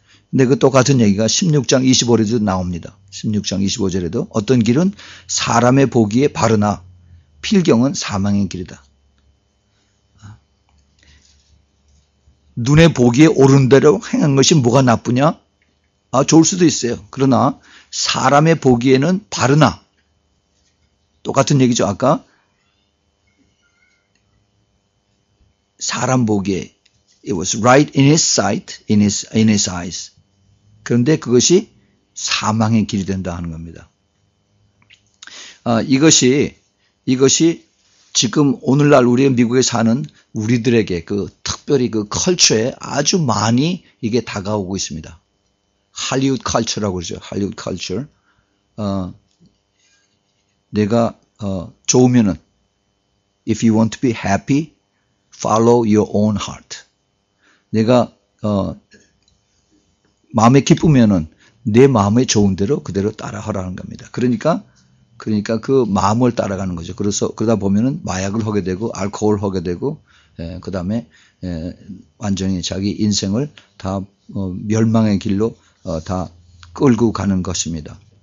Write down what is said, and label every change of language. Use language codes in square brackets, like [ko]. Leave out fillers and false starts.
[ko] 근데 그 똑같은 얘기가 16장 25절에도 나옵니다. 16장 25절에도 어떤 길은 사람의 보기에 바르나 필경은 사망의 길이다. 눈에 보기에 옳은 대로 행한 것이 뭐가 나쁘냐? 아, 좋을 수도 있어요. 그러나 사람의 보기에는 바르나 똑같은 얘기죠. 아까 사람 보기에 [en] it was right in his sight, in his eyes. [ko] 그런데 그것이 사망의 길이 된다 하는 겁니다. 이것이 지금 오늘날 우리 미국에 사는 우리들에게 그 특별히 그 컬처에 아주 많이 이게 다가오고 있습니다. 할리우드 컬처라고 그러죠. 할리우드 컬처. 내가 좋으면은 [en] if you want to be happy, follow your own heart. [ko] 내가 마음에 기쁘면은 내 마음에 좋은 대로 그대로 따라하라는 겁니다. 그러니까 그 마음을 따라가는 거죠. 그래서 그러다 보면은 마약을 하게 되고 알코올 하게 되고 그다음에 완전히 자기 인생을 다 멸망의 길로 다 끌고 가는 것입니다.